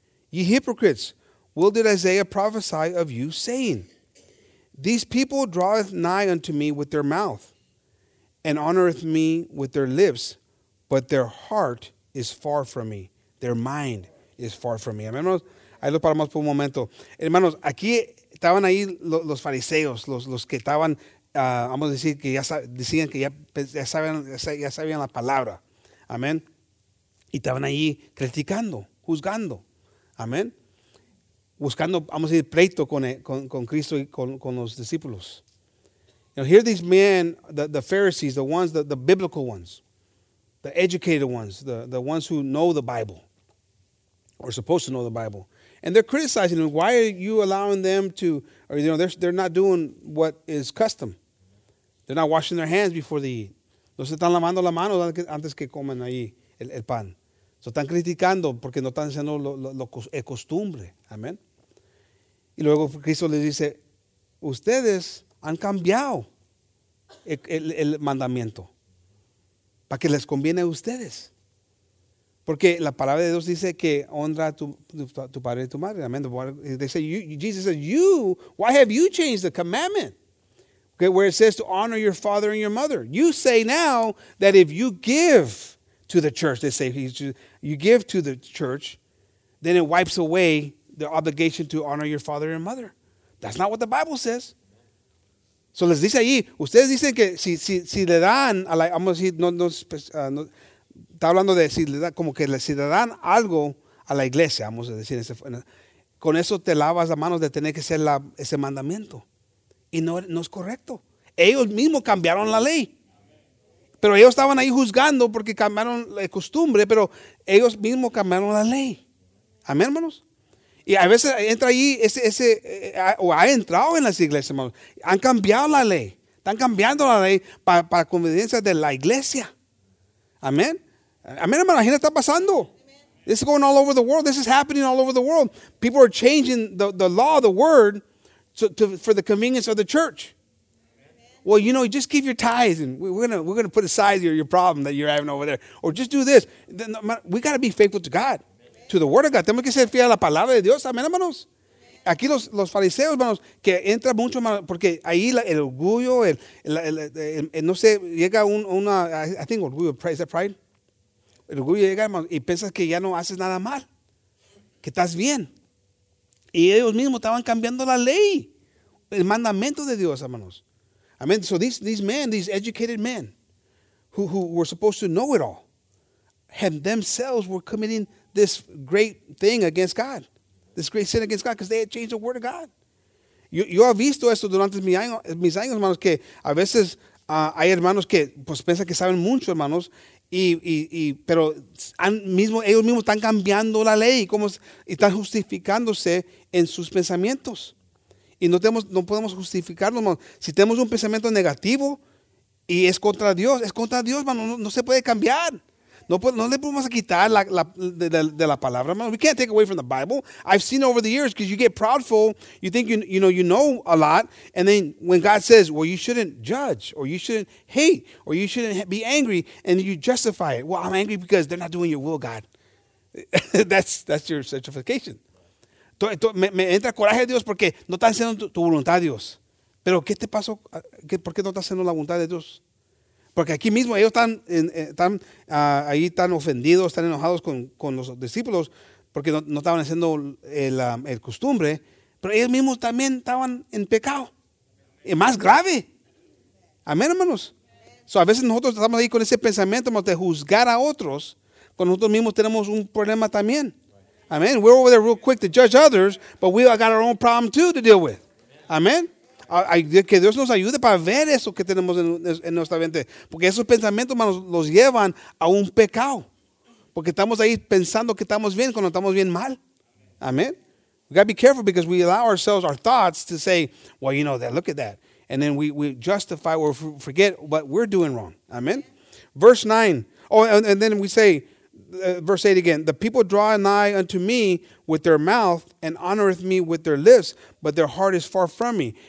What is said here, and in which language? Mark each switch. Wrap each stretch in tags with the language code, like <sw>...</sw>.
<en>Ye hypocrites, well did Isaiah prophesy of you, saying, these people draweth nigh unto me with their mouth and honoreth me with their lips, but their heart is far from me. Their mind is far from me.</en> <es>Hermanos, ahí lo paramos por un momento. Hermanos, aquí estaban ahí los fariseos, los que estaban, vamos a decir, que ya decían que ya sabían la palabra. Amén. Y estaban ahí criticando, juzgando. Amén. Buscando, vamos a decir, pleito con Cristo y con los discípulos.</es> <en>Now, here these men, the Pharisees, the ones, the biblical ones, the educated ones, the ones who know the Bible, or supposed to know the Bible. And they're criticizing them. Why are you allowing them to, or, you know, they're not doing what is custom. They're not washing their hands before they eat.</en> <es>No se están lavando la mano antes que coman ahí el pan. So están criticando porque no están haciendo lo que es costumbre. Amén. Y luego Cristo les dice, ustedes han cambiado el mandamiento para que les conviene a ustedes. Porque la palabra de Dios dice que honra a tu padre y tu madre. Amén.</es> <en>Jesus says, you, why have you changed the commandment? Okay, where it says to honor your father and your mother. You say now that if you give to the church, they say, you give to the church, then it wipes away the obligation to honor your father and mother. That's not what the Bible says.</en> <es>So les dice ahí, ustedes dicen que si le dan, a la, vamos a decir, no, está hablando de si le dan, como que si le dan algo a la iglesia, vamos a decir, con eso te lavas las manos de tener que hacer la, ese mandamiento. Y no, no es correcto. Ellos mismos cambiaron la ley. Pero ellos estaban ahí juzgando porque cambiaron la costumbre, pero ellos mismos cambiaron la ley. Amén, hermanos. Y a veces entra ahí o ha entrado en las iglesias, hermanos. Han cambiado la ley. Están cambiando la ley para conveniencia de la iglesia. Amén. Amén, hermanos. Imagínate, está pasando.</es> <en>This is going all over the world. This is happening all over the world. People are changing the law, the word, for the convenience of the church. Well, you know, just keep your tithes, and we're gonna put aside your problem that you're having over there. Or just do this. We got to be faithful to God, amen, to the word of God.</en> <es>Tenemos que ser fiel a la palabra de Dios. Amén, hermanos. Aquí los fariseos, hermanos, que entra mucho más, porque ahí el orgullo, el no sé, llega una,</es> <en>I think</en> <es>orgullo,</es> <en>is that pride?</en> <es>El orgullo llega, hermanos, y piensas que ya no haces nada mal, que estás bien. Y ellos mismos estaban cambiando la ley, el mandamiento de Dios, hermanos.</es> <en>I mean, so these men, these educated men who were supposed to know it all, had themselves were committing this great thing against God, this great sin against God, because they had changed the word of God.</en> <es>Yo he visto esto durante mis años, hermanos, que a veces hay hermanos que pues piensan que saben mucho, hermanos, pero ellos mismos están cambiando la ley y están justificándose en sus pensamientos. Y no podemos justificarlo, hermano. Si tenemos un pensamiento negativo y es contra Dios, hermano, no se puede cambiar. No le podemos quitar de la palabra, hermano.</es> <en>We can't take away from the Bible. I've seen over the years, because you get proudful, you think you know a lot, and then when God says, well, you shouldn't judge, or you shouldn't hate, or you shouldn't be angry, and you justify it. Well, I'm angry because they're not doing your will, God. That's your justification.</en> <es>Me entra coraje a Dios porque no está haciendo tu voluntad, Dios. Pero ¿qué te pasó? ¿Por qué no está haciendo la voluntad de Dios? Porque aquí mismo ellos están ofendidos, están enojados con los discípulos porque no estaban haciendo el costumbre. Pero ellos mismos también estaban en pecado. Y más grave. Amén, hermanos. So, a veces nosotros estamos ahí con ese pensamiento, hermanos, de juzgar a otros cuando nosotros mismos tenemos un problema también.</es> <en>Amen. We're over there real quick to judge others, but we got our own problem too to deal with. Amen.</en> <es>Que Dios nos ayude para ver eso que tenemos en nuestra mente. Porque esos pensamientos, hermanos, los llevan a un pecado. Porque estamos ahí pensando que estamos bien cuando estamos bien mal.</es> <en>Amen. We got to be careful because we allow ourselves, our thoughts, to say, well, you know that, look at that. And then we justify or forget what we're doing wrong. Amen. Verse 9. Oh, and then we say, verse 8 again, the people draw nigh unto me with their mouth and honoreth me with their lips, but their heart is far from me.</en>